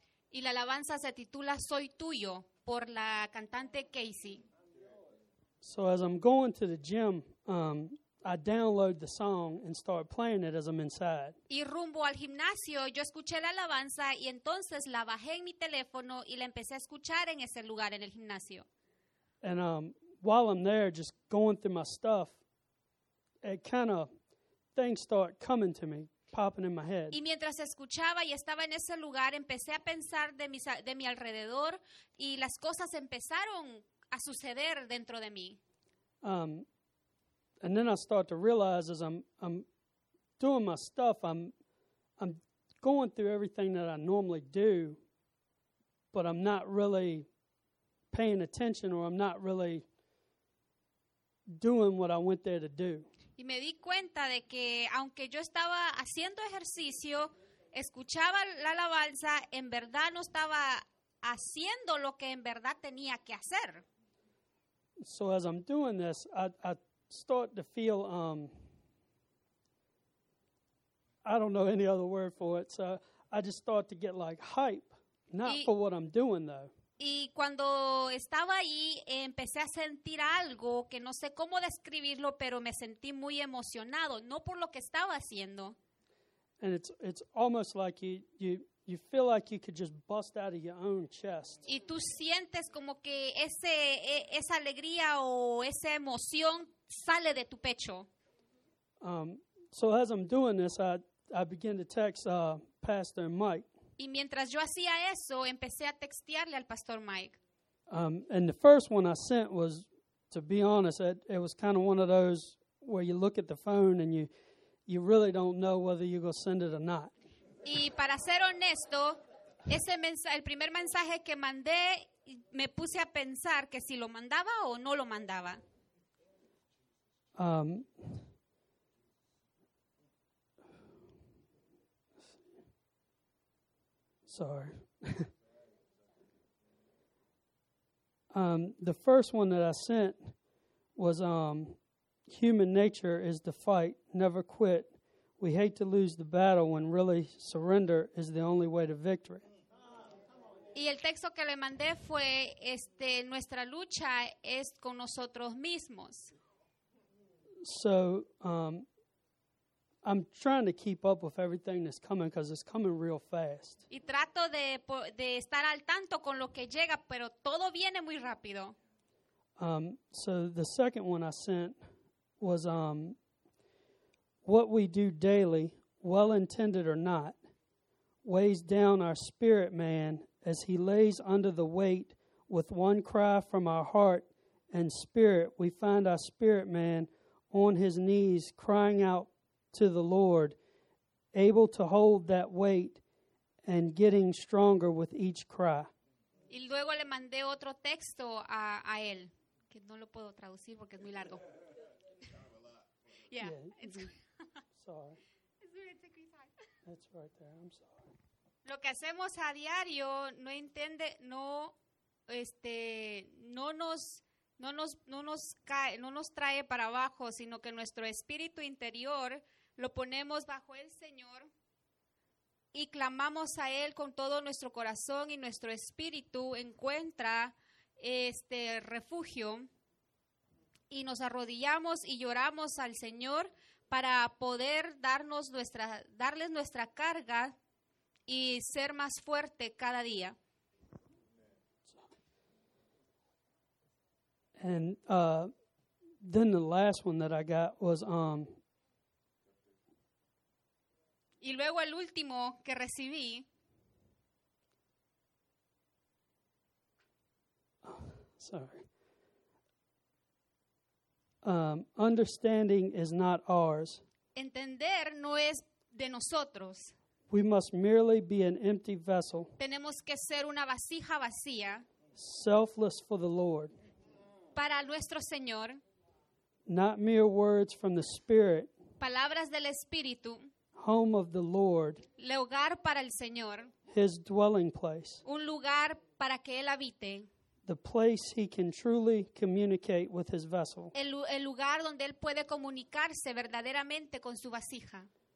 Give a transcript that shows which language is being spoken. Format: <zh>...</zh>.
<es>Y la alabanza se titula Soy Tuyo por la cantante Casey.</es> <en>So as I'm going to the gym, I download the song and start playing it as I'm inside.</en> <es>Y rumbo al gimnasio, yo escuché la alabanza y entonces la bajé en mi teléfono y la empecé a escuchar en ese lugar en el gimnasio.</es> <en>And while I'm there, just going through my stuff, it kind of things start coming to me, popping in my head.</en> <es>Y mientras escuchaba y estaba en ese lugar, empecé a pensar de mi alrededor y las cosas empezaron a suceder dentro de mí.</es> <en>And then I start to realize as I'm doing my stuff, I'm going through everything that I normally do, but I'm not really paying attention or I'm not really doing what I went there to do.</en> <es>Y me di cuenta de que aunque yo estaba haciendo ejercicio, escuchaba la alabanza, en verdad no estaba haciendo lo que en verdad tenía que hacer.</es> <en>So as I'm doing this, I start to feel, I don't know any other word for it, so I just start to get like hype, for what I'm doing though.</en> <es>Y cuando estaba ahí, empecé a sentir algo que no sé cómo describirlo, pero me sentí muy emocionado, no por lo que estaba haciendo.</es> <en>And it's almost like you feel like you could just bust out of your own chest.</en> <es>Y tú sientes como que esa alegría o esa emoción sale de tu pecho.</es> <en>So as I'm doing this, I begin to text Pastor Mike.</en> <es>Y mientras yo hacía eso, empecé a textearle al Pastor Mike.</es> <en>And the first one I sent was, to be honest, it was kind of one of those where you look at the phone and you really don't know whether you're going to send it or not.</en> <es>Y para ser honesto, el primer mensaje que mandé, me puse a pensar que si lo mandaba o no lo mandaba.</es> <en>Sorry. The first one that I sent was human nature is to fight, never quit. We hate to lose the battle when really surrender is the only way to victory.</en> <es>Y el texto que le mandé fue nuestra lucha es con nosotros mismos.</es> <en>So I'm trying to keep up with everything that's coming because it's coming real fast.</en> <es>Y trato de estar al tanto con lo que llega, pero todo viene muy rápido.</es> <en>So the second one I sent was what we do daily, well-intended or not, weighs down our spirit man as he lays under the weight with one cry from our heart and spirit. We find our spirit man on his knees crying out, to the Lord, able to hold that weight and getting stronger with each cry.</en> <es>Y luego le mandé otro texto a él, que no lo puedo traducir porque es muy largo.</es> <en>Yeah, it's sorry. It's right there. I'm sorry.</en> <es>Lo que hacemos a diario no entiende, no, este, no nos, no nos, no nos cae, no nos trae para abajo, sino que nuestro espíritu interior lo ponemos bajo el Señor y clamamos a Él con todo nuestro corazón y nuestro espíritu encuentra este refugio y nos arrodillamos y lloramos al Señor para poder darnos nuestra, darles nuestra carga y ser más fuerte cada día.</es> <en>And then the last one that I got was</en> <es>y luego el último que recibí.</es> <en>Sorry. Understanding is not ours.</en> <es>Entender no es de nosotros.</es> <en>We must merely be an empty vessel.</en> <es>Tenemos que ser una vasija vacía.</es> <en>Selfless for the Lord.</en> <es>Para nuestro Señor.</es> <en>Not mere words from the Spirit.</en> <es>Palabras del Espíritu.</es> <en>Home of the Lord.</en> <es>El hogar para el Señor.</es> <en>His dwelling place.</en> <es>Un lugar para que Él habite.</es> <en>The place he can truly communicate with his vessel.</en> <es>El lugar donde Él puede comunicarse verdaderamente con su vasija.</es>